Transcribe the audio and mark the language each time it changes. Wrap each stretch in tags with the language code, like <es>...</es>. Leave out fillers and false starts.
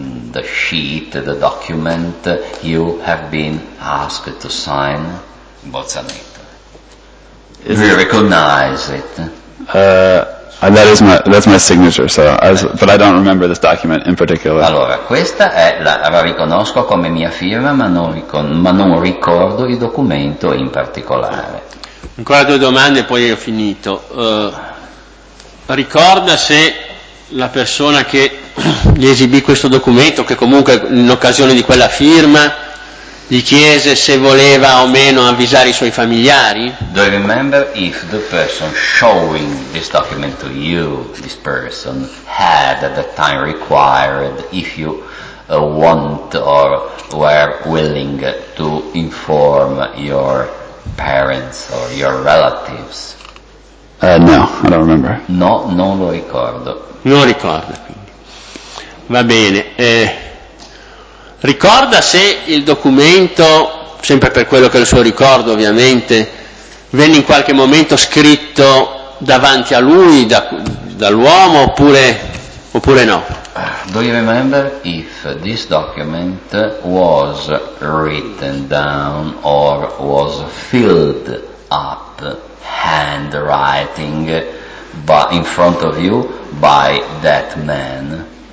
<en>The sheet, the document you have been asked to sign, Bolzaneto. Do you recognize it? That's my signature, so but I don't remember this document in particular.</en> <it>Allora, questa è la riconosco come mia firma, ma non ricordo il documento in particolare. Ancora due domande e poi ho finito. Ricorda se la persona che gli esibì questo documento, che comunque in occasione di quella firma, gli chiese se voleva o meno avvisare i suoi familiari?</it> <en>Do you remember if the person showing this document to you, this person, had at that time required if you want or were willing to inform your parents or your relatives? No, I don't remember.</en> <it>No, non lo ricordo. Non ricorda, quindi. Va bene. Ricorda se il documento, sempre per quello che è il suo ricordo ovviamente, venne in qualche momento scritto davanti a lui da, dall'uomo oppure, oppure no?</it> <en>Do you remember if this document was written down or was filled up handwriting but in front of you by that man?</en>